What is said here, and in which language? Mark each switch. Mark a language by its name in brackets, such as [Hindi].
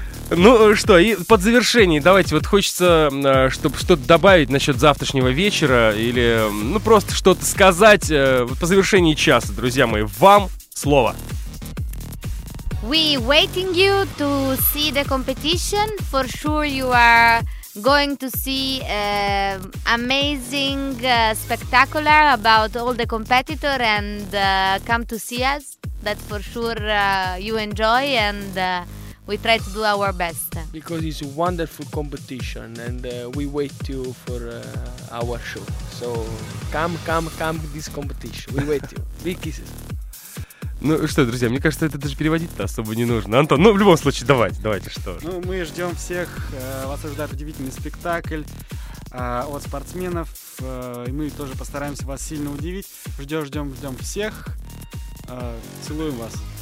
[Russian] Ну что, и под завершение, давайте, вот хочется, чтобы что-то добавить насчет завтрашнего вечера или, ну, просто что-то сказать по завершении часа, друзья мои, вам слово. [English] We waiting you to see the competition. For sure you are going to see amazing spectacular about all the competitor and come to see us. That for sure you enjoy and we try to do our best. Because it's a wonderful competition and we wait you for our show. So come this competition. We wait you. Big kisses. [Russian] Ну что, друзья, мне кажется, это даже переводить-то особо не нужно. Антон, ну в любом случае, давайте, что же. Ну, мы ждем всех, вас ожидает удивительный спектакль от спортсменов, и мы тоже постараемся вас сильно удивить. Ждем всех, целуем вас.